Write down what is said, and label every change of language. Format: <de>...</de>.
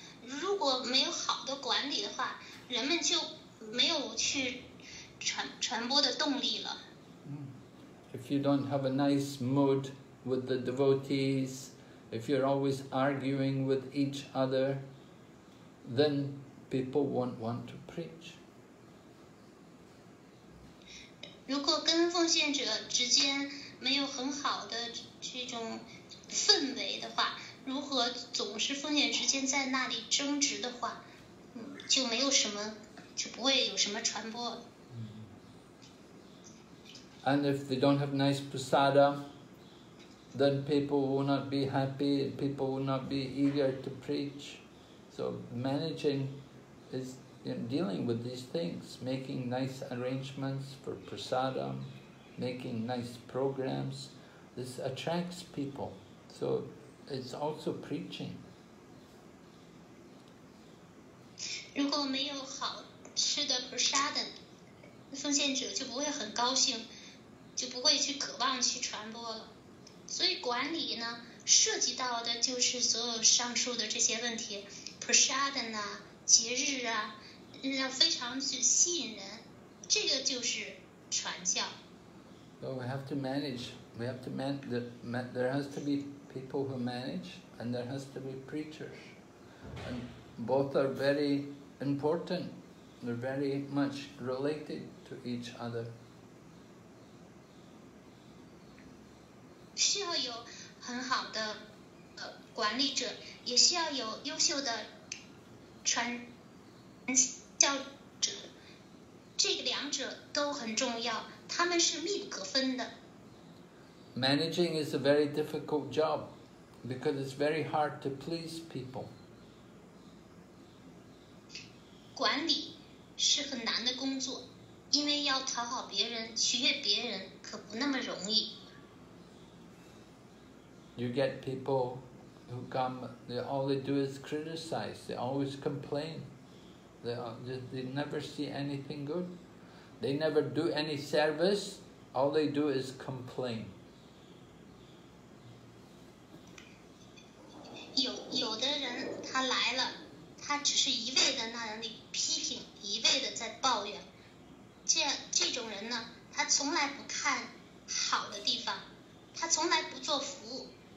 <zh>如果没有好的管理的话，人们就没有去传播的动力了。</zh> <en>If you don't have a nice mood with the devotees, if you're always arguing with each other, then people won't want to preach.</en> <zh>如果跟奉献者之间没有很好的这种氛围的话，如何总是奉献之间在那里争执的话，就没有什么，就不会有什么传播。</zh> <en>And if they don't have nice prasada, then people will not be happy, and people will not be eager to preach. So managing is dealing with these things, making nice arrangements for prasadam, making nice programs. This attracts people. So it's also preaching.</en> <zh>如果没有好吃的 prasadam, 奉献者就不会很高兴，就不会去渴望去传播了。所以管理呢，涉及到的就是所有上述的这些问题 ，prasadam 啊，节日啊，让非常去吸引人，这个就是传教。</zh> <en>Well, we have to manage. We have to There has to be people who manage, and there has to be preachers, and both are very important. They're very much related to each other.</en> <zh>需要有很好的管理者，也需要有优秀的传教者，这个两者都很重要，他们是密不可分的。</zh> <en>Managing is a very difficult job because it's very hard to please people.</en> <zh>管理是很难的工作，因为要讨好别人，取悦别人可不那么容易。</zh> <en>You get people who come, all they do is criticize, they always complain. They never see anything good. They never do any service, all they do is complain.</en> <zh>有的人他来了，他只是一味的那里批评，一味的在抱怨。这种人呢，他从来不看好的地方，他从来不做服务。</zh>